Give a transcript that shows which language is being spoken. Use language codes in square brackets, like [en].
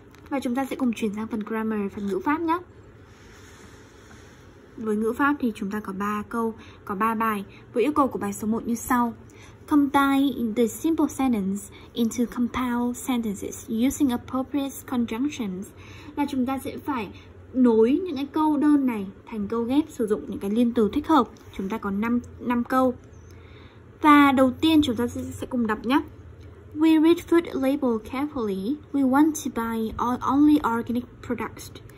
[vi] Và chúng ta sẽ cùng chuyển sang phần grammar, phần ngữ pháp nhé. Với ngữ pháp thì chúng ta có 3 câu, có 3 bài, với yêu cầu của bài số 1 như sau. [en] Combine the simple sentence into compound sentences using appropriate conjunctions. [vi] Là chúng ta sẽ phải nối những cái câu đơn này thành câu ghép sử dụng những cái liên từ thích hợp. Chúng ta có 5 câu. Và đầu tiên chúng ta sẽ cùng đọc nhé. [en] We read food label carefully. We want to buy only organic products.